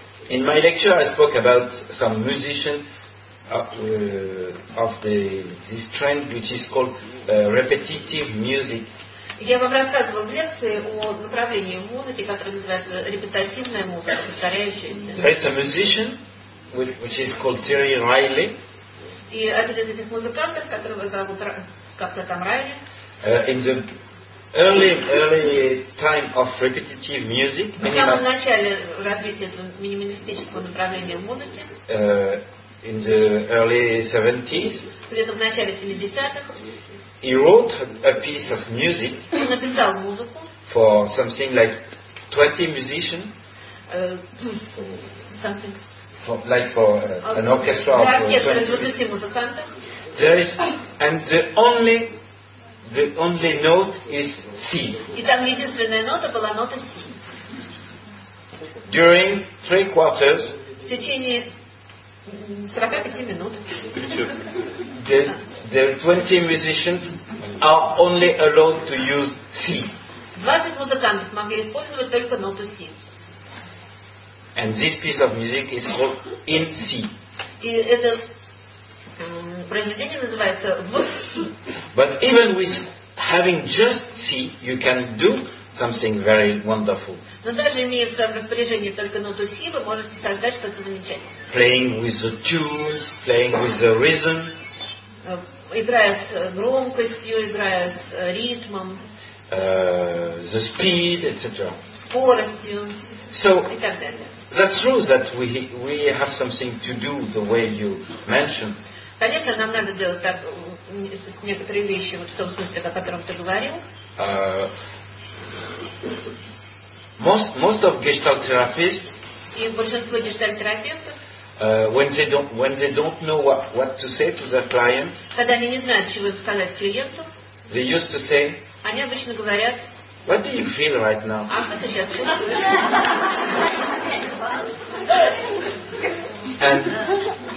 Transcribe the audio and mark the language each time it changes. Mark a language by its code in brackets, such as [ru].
[en] In my lecture, I spoke about some musician of this trend, which is called repetitive music. [ru] Я вам рассказывал в лекции о направлении музыки, которое называется репетитивная музыка, повторяющаяся. [en] There is a musician which is called Terry Riley. [ru] И один из этих музыкантов, которого зовут как-то там Райли. [en] In the early time of repetitive music. [ru] В самом начале развития этого минималистического направления музыки. [en] In the early 70s. [ru] Где-то в начале 70-х. [en] He wrote a piece of music. [ru] Он написал музыку. [en] For something like 20 musicians. Something. For an orchestra of [ru] 20 музыкантов. [en] There is and the only note is C. [ru] И там единственная нота была нота C. [en] During three quarters. [ru] В течение 45 минут. [en] The 20 musicians are only allowed to use C. [ru] 20 музыкантов могли использовать только ноту C. [en] And this piece of music is called in C. [ru] И это произведение называется в C. [en] But even with having just C, you can do something very wonderful. [ru] Но даже имея в своем распоряжении только ноту C, вы можете создать что-то замечательное. [en] Playing with the tunes, playing with the rhythm. [ru] Играя с громкостью, играя с ритмом. [en] The speed, etc. [ru] Скоростью. [en] So, [ru] и так далее. [en] That's true that we have something to do the way you mentioned. [ru] Конечно, нам надо делать так. С некоторые вещи вот в том смысле, о котором ты говорил. [en] Most of gestalt therapists. [ru] И большинство гештальт терапевтов. [en] When they don't know what to say to their client. [ru] Когда они не знают, чего сказать клиенту. [en] They used to say. [ru] Они обычно говорят. [en] What do you feel right now? [ru] А что ты сейчас чувствуешь?